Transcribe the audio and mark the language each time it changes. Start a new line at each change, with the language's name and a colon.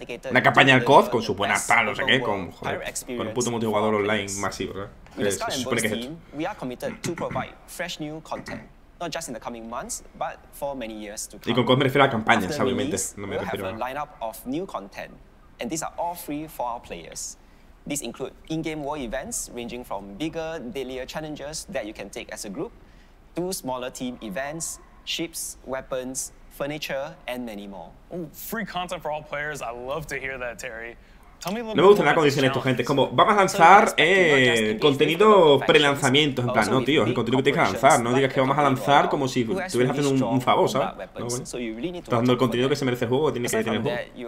Spanish: Una campaña al COD con su buena pala, no sé qué, con, joder, con un puto multijugador online masivo, ¿verdad? Se supone que es esto.
English: We are committed to provide fresh new content. Not just in the coming months, but for many years to come.
Spanish: Y con COD me refiero a campañas, obviamente. No me refiero a...
English: We'll have a lineup of new content, and these are all free for our players. These include in-game war events, ranging from bigger, dailier challenges that you can take as a group, to smaller team events, ships, weapons, furniture, and many more. Ooh, free content for all players. I love to hear that, Terry.
Spanish: No me gusta nada cuando dicen esto, gente. Como, vamos a lanzar contenido pre-lanzamiento. En plan, no, tío, el contenido que tienes que lanzar. No digas que vamos a lanzar como si estuvieras haciendo un favor, ¿sabes? No, bueno. Dando el contenido que se merece el juego, que tiene que tener el juego.